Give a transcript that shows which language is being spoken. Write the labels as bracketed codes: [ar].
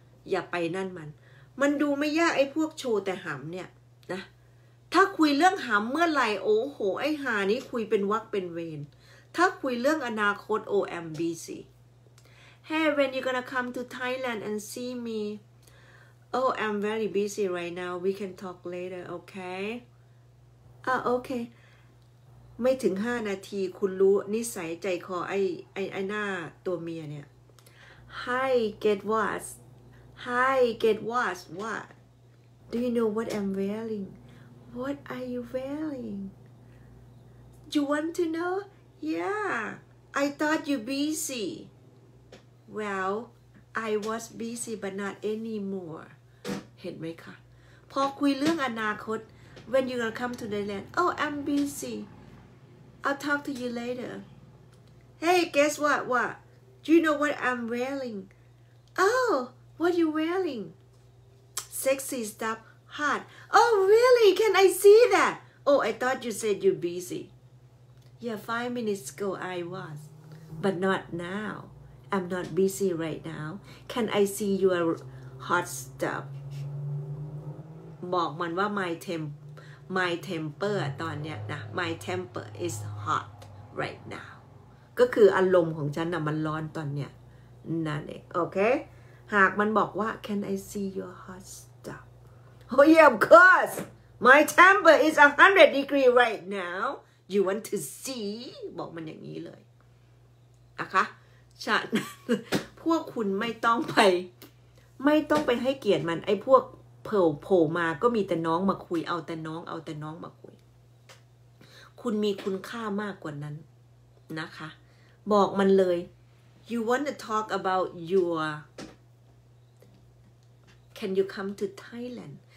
[th] อย่าไปนั่นมันดูไม่ยากไอ้พวกโชว์แต่หำเนี่ยนะถ้าคุยเรื่องหำเมื่อไหร่โอ้โหไอ้หานี่คุยเป็นวักเป็นเวรถ้าคุยเรื่องอนาคต [en] OMBC Hey when you gonna come to Thailand and see me Oh I'm very busy right now we can talk later okay [th] okay ไม่ถึง5นาทีคุณรู้นิสัยใจคอไอ้หน้าตัวเมียเนี่ย [en] Hi get whatHi, get what? What? Do you know what I'm wearing? What are you wearing? You want to know? Yeah, I thought you busy. Well, I was busy, but not anymore. [th] เห็นไหมคะพอคุยเรื่องอนาคต [en] when you gonna come to Thailand? Oh, I'm busy. I'll talk to you later. Hey, guess what? What? Do you know what I'm wearing? Oh. What are you wearing? Sexy stuff, hot. Oh, really? Can I see that? Oh, I thought you said you're busy. Yeah, 5 minutes ago I was. But not now. I'm not busy right now. Can I see your hot stuff? [th] บอกมันว่า [en] my temper [th] ตอนเนี้ยนะ [en] My temper is hot right now. [th] ก็คืออารมณ์ของฉันน่ะมันร้อนตอนเนี้ยนั่นเองโอเคหากมันบอกว่า [en] Can I see your hot stuff? Oh yeah, of course. My temper is 100 degree right now. You want to see? [th] บอกมันอย่างนี้เลยนะคะฉะนั้นพวกคุณไม่ต้องไปให้เกียรติมันไอ้พวกเผลอๆมาก็มีแต่น้องมาคุยเอาแต่น้องมาคุยคุณมีคุณค่ามากกว่านั้นนะคะบอกมันเลย [en] You want to talk about yourCan you come to Thailand?